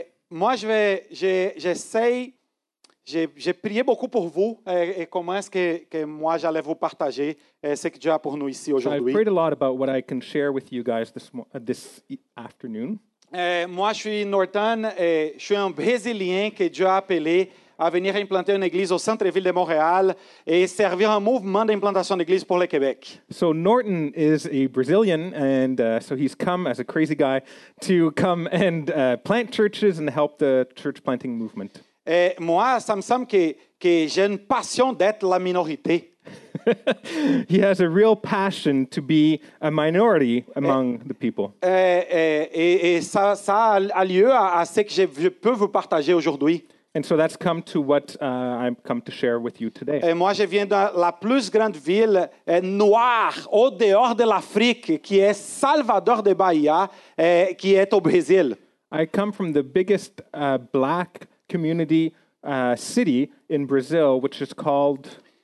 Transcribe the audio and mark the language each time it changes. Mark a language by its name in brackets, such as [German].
[French] moi, j'ai prié beaucoup pour vous et comment est-ce que moi j'allais vous partager ce que Dieu a pour nous ici aujourd'hui. [English] I prayed a lot about what I can share with you guys this afternoon. [French] Moi, je suis Norton, je suis un Brésilien que Dieu a appelé à venir implanter une église au centre-ville de Montréal et servir un mouvement d'implantation d'église pour le Québec. [English] So Norton is a Brazilian and so he's come as a crazy guy to come and plant churches and help the church planting movement. [French] Et moi, ça me semble que j'ai une passion d'être la minorité. [English] He has a real passion to be a minority among the people. [French] Et ça a lieu à ce que je peux vous partager aujourd'hui. [English] And so that's come to what I've come to share with you today. [French] Et moi, je viens de la plus grande ville noire au dehors de l'Afrique, qui est Salvador de Bahia, qui est au Brésil. [English] I come from the biggest black community city in Brazil, which is called